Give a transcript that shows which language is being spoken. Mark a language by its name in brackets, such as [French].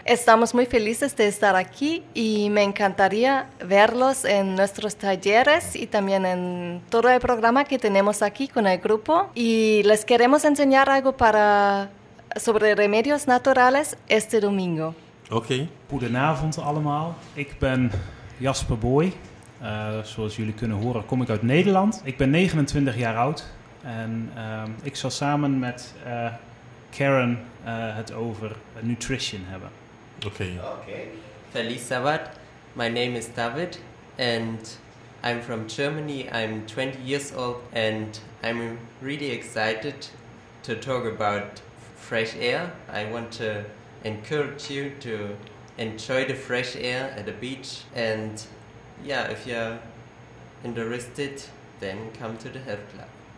[Spanish] Estamos muy felices de estar aquí y me encantaría verlos en nuestros talleres y también en todo el programa que tenemos aquí con el grupo. Y les queremos enseñar algo sobre remedios naturales este domingo. [English] Okay. [Dutch] Goedenavond allemaal. Ik ben Jasper Boy. Zoals jullie kunnen horen kom ik uit Nederland. Ik ben 29 jaar oud en ik zal samen met Karen het over nutrition hebben. Oké. [English] Felisabad, my name is David and I'm from Germany. I'm 20 years old and I'm really excited to talk about fresh air. I want to encourage you to enjoy the fresh air at the beach and yeah, if you're interested, then come to the health club.